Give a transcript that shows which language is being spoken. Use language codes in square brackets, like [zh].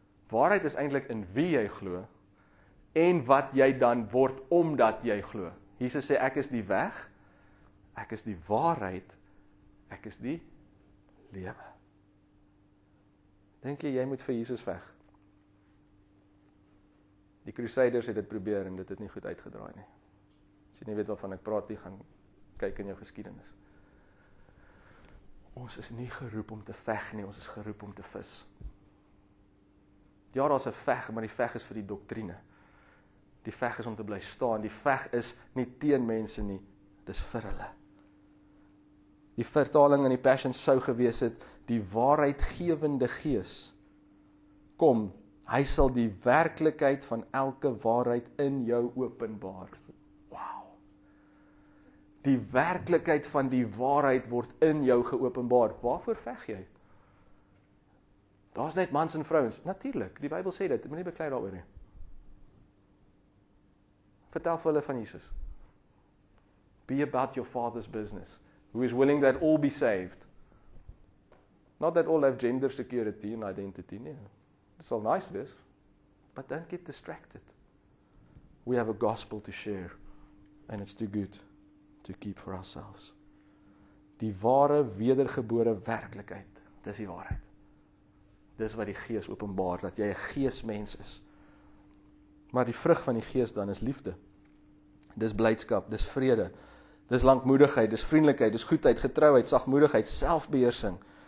[af] Waarheid is eintlik in wie jy glo en wat jy dan word omdat jy glo. Jesus sê ek is die weg, ek is die waarheid, ek is die lewe. Dink jy moet vir Jesus veg? Die Crusaders het dit probeer en dit het nie goed uitgedraai nie. As jy nie weet waarvan ek praat nie, gaan kyk in jou geskiedenis. Ons is nie geroep om te veg nie, ons is geroep om te vis. Ja, daar's 'n veg, maar die veg is vir die doktrine. Die veg is om te bly staan, die veg is nie teen mense nie, dis vir hulle. Die vertaling in die Passion sou gewees het, die waarheidgewende Gees kom. Hy sal die werklikheid van elke waarheid in jou openbaar. Wow. Die werklikheid van die waarheid word in jou geopenbaar. Waarvoor veg jy? Daar's net mans en vrouens. Natuurlik, die Bybel sê dit. Moenie beklei daaroor nie. Vertel vir hulle van Jesus. [en] Be about your father's business. Who is willing that all be saved. Not that all have gender security and identity. Nee. It's all nice this, but don't get distracted. We have a gospel to share, and it's too good to keep for ourselves. [af] Die ware wedergebore werklikheid, dis die waarheid. Dis wat die Gees openbaar, dat jy 'n geesmens is. Maar die vrug van die Gees dan is liefde. Dis blydskap, dis vrede, dis lankmoedigheid, dis vriendelikheid, dis goedheid, getrouheid, sagmoedigheid, selfbeheersing.